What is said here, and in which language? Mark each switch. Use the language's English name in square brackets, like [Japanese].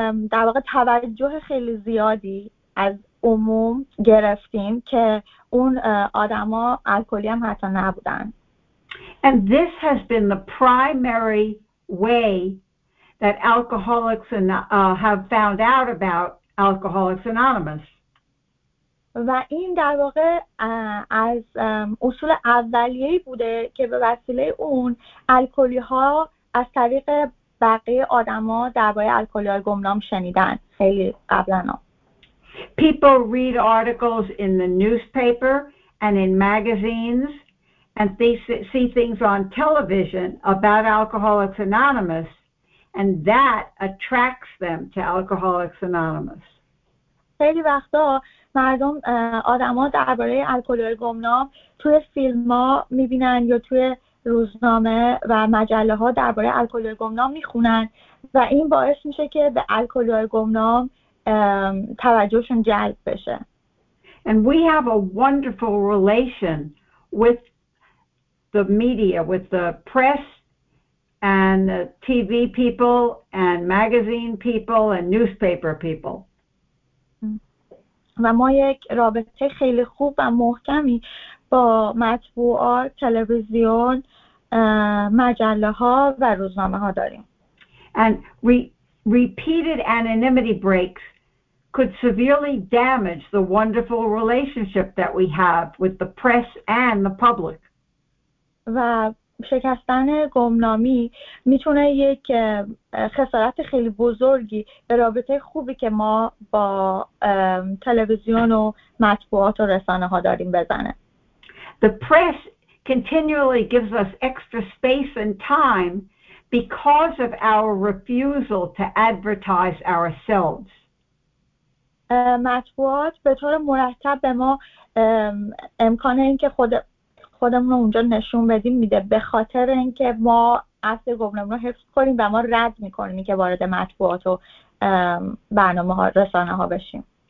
[Persian] در واقع توجه خیلی زیادی از عموم گرفتیم که اون آدما الکلی هم حتی نبودن. [English] And this has been the primary way that alcoholics and have found out about Alcoholics Anonymous. [Persian] و این در واقع از اصول اولیه‌ای بوده که به وسیله اون الکلی ها از طریق بقیه آدما درباره الکلی های گمنام شنیدن خیلی قبلا. [English] People read articles in the newspaper and in magazines and they see things on television about Alcoholics Anonymous and that attracts them to Alcoholics Anonymous. [Persian] خیلی وقتا مردم آدما درباره الکلی های گمنام توی فیلم ها میبینن یا توی روزنامه و مجله ها درباره الکلی های گمنام میخونن و این باعث میشه که به الکلی های گمنام توجهشون جلب بشه. [English] And we have a wonderful relation with the media, with the press and the TV people and magazine people and newspaper people. [Persian] و ما یک رابطه خیلی خوب و محکمی با مطبوعات، تلویزیون، مجله ها و روزنامه ها داریم. [English] And repeated anonymity breaks could severely damage the wonderful relationship that we have with the press and the public. [Persian] و شکستن گمنامی میتونه یک خسارت خیلی بزرگی به رابطه خوبی که ما با تلویزیون و مطبوعات و رسانه ها داریم بزنه. [English] The press continually gives us extra space and time because of our refusal to advertise ourselves. [Persian] مطبوعات به طور مرتب به ما امکان این که خودمون رو اونجا نشون بدیم میده به خاطر اینکه ما اصل گمنامی رو حفظ کنیم و ما رد میکنیم که وارد مطبوعات و برنامه ها رسانه ها بشیم.